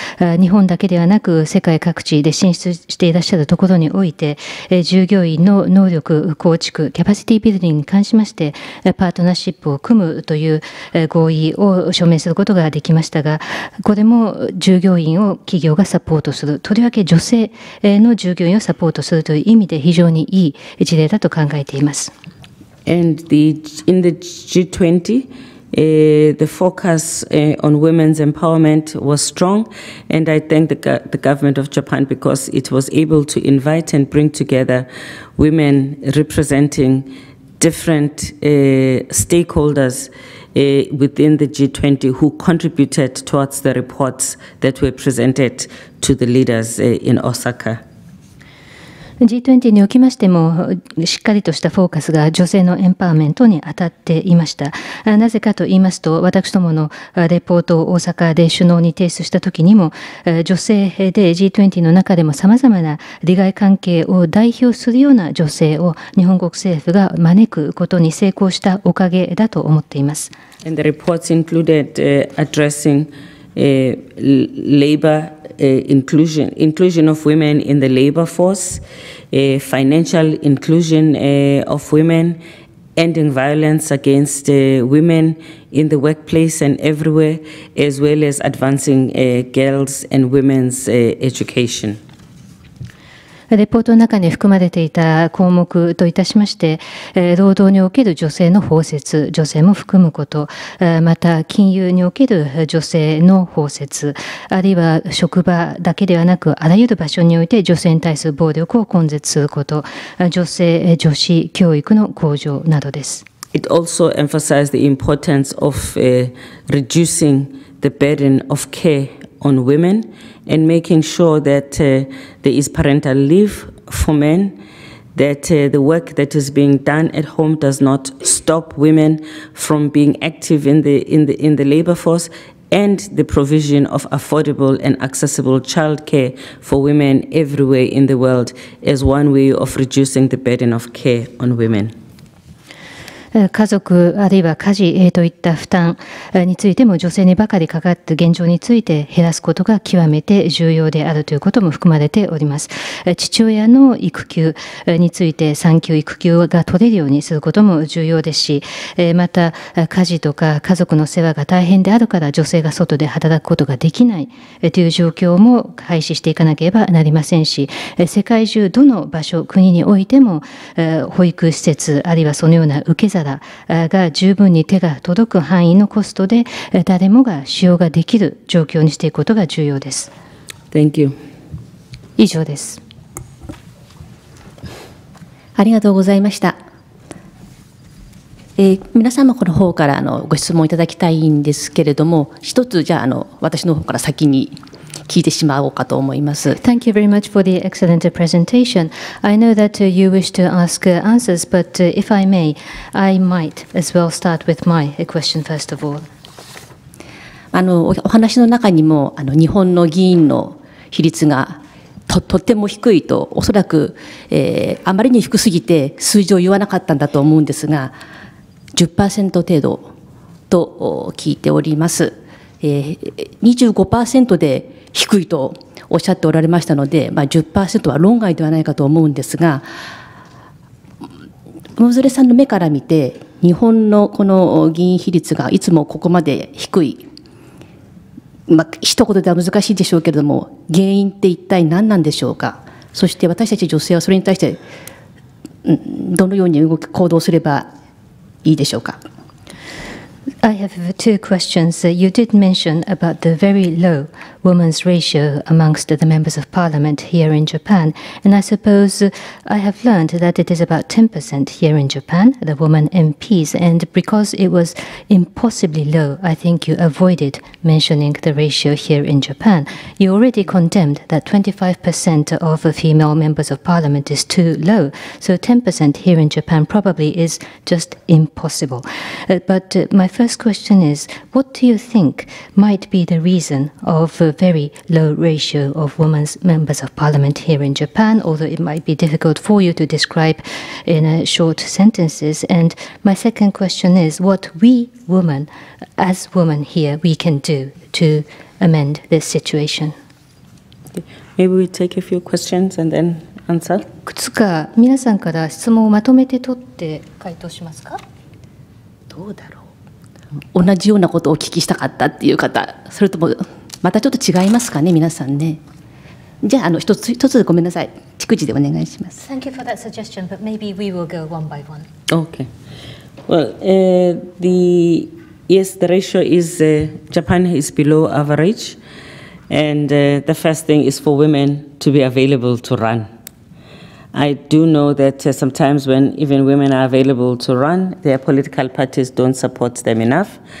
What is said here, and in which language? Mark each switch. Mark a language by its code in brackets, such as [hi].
[ja] 日本だけではなく、世界各地で進出していらっしゃるところにおいて、従業員の能力構築、キャパシティビルディングに関しまして、パートナーシップを組むという合意を署名することができましたが、これも従業員を企業がサポートする、とりわけ女性の従業員をサポートするという意味で非常にいい事例だと考えています。 [en] And the, in the G20, the focus on women's empowerment was strong. And I thank the government of Japan because it was able to invite and bring together women representing different stakeholders within the G20 who contributed towards the reports that were presented to the leaders in Osaka. [ja] G20 におきましても、しっかりとしたフォーカスが女性のエンパワーメントに当たっていました。なぜかと言いますと、私どものレポートを大阪で首脳に提出したときにも、女性で G20 の中でも様々な利害関係を代表するような女性を日本国政府が招くことに成功したおかげだと思っています。 [en] And the reports included addressing labor. Inclusion of women in the labor force, financial inclusion of women, ending violence against women in the workplace and everywhere, as well as advancing girls' and women's education. [ja] レポートの中に含まれていた項目といたしまして、労働における女性の包摂、女性も含むこと、また金融における女性の包摂、あるいは職場だけではなく、あらゆる場所において女性に対する暴力を根絶すること、女性、女子教育の向上などです。 [en] It also emphasized the importance of reducing the burden of care on women. And making sure that there is parental leave for men, that the work that is being done at home does not stop women from being active in the labor force, and the provision of affordable and accessible childcare for women everywhere in the world is one way of reducing the burden of care on women. [ja] 家族あるいは家事といった負担についても女性にばかりかかって現状について減らすことが極めて重要であるということも含まれております。父親の育休について産休育休が取れるようにすることも重要ですし、また家事とか家族の世話が大変であるから女性が外で働くことができないという状況も廃止していかなければなりませんし、世界中どの場所国においても保育施設あるいはそのような受け皿が十分に手が届く範囲のコストで誰もが使用ができる状況にしていくことが重要です。 [en] Thank you. [ja] 以上です。ありがとうございました。皆様この方からご質問いただきたいんですけれども、一つじゃ私の方から先に。聞いてしまおうかと思います。 [en] Thank you very much for the excellent presentation. I know that you wish to ask answers, but if I may, I might as well start with my question first of all. [ja] お話の中にも日本の議員の比率がとても低いと、おそらく、あまりに低すぎて数字を言わなかったんだと思うんですが、10% 程度と聞いております。 25% で低いとおっしゃっておられましたので、まあ、10% は論外ではないかと思うんですが、野連さんの目から見て、日本のこの議員比率がいつもここまで低い、まあ、一言では難しいでしょうけれども、原因って一体何なんでしょうか。そして私たち女性はそれに対してどのように動き行動すればいいでしょうか。 [en] I have two questions. You did mention about the very low women's ratio amongst the members of parliament here in Japan. And I suppose I have learned that it is about 10% here in Japan, the women MPs. And because it was impossibly low, I think you avoided mentioning the ratio here in Japan. You already condemned that 25% of female members of parliament is too low. So 10% here in Japan probably is just impossible. But my first question is, what do you think might be the reason of a very low ratio of women members of parliament here in Japan, although it might be difficult for you to describe in short sentences? And my second question is, what we women, as women here, we can do to amend this situation? Maybe we take a few questions and then answer. [ja] いくつか皆さんから質問をまとめて取って回答しますか？どうだろう。同じようなことをお聞きしたかったっていう方、それともまたちょっと違いますかね、皆さんね。じゃあ、一つ一つごめんなさい、逐次でお願いします。 [en] Thank you for that suggestion, but maybe we will go one by one. Okay. Well, the ratio is, Japan is below average, and the first thing is for women to be available to run. I do know that sometimes when even women are available to run, their political parties don't support them enough.